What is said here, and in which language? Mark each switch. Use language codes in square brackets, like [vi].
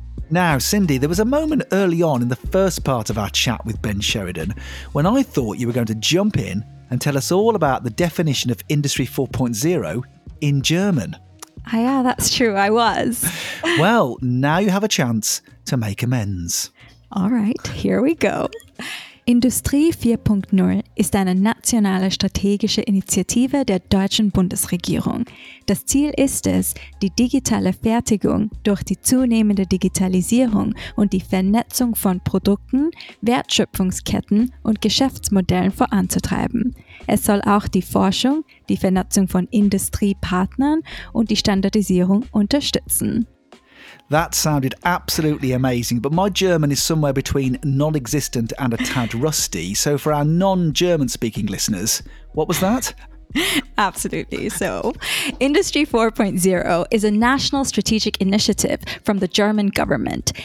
[en] Now, Cindy, there was a moment early on in the first part of our chat with Ben Sheridan when I thought you were going to jump in and tell us all about the definition of Industry 4.0 in German. Yeah, that's true. I was. Well, now you have a chance to make amends. All right, here we go. [de] Industrie 4.0 ist eine nationale strategische Initiative der deutschen Bundesregierung. Das Ziel ist es, die digitale Fertigung durch die zunehmende Digitalisierung und die Vernetzung von Produkten, Wertschöpfungsketten und Geschäftsmodellen voranzutreiben. Es soll auch die Forschung, die Vernetzung von Industriepartnern und die Standardisierung unterstützen. [en] That sounded absolutely amazing, but my German is somewhere between non-existent and a tad rusty. So for our non-German speaking listeners, what was that? Absolutely. So Industry 4.0 is a national strategic initiative from the German government.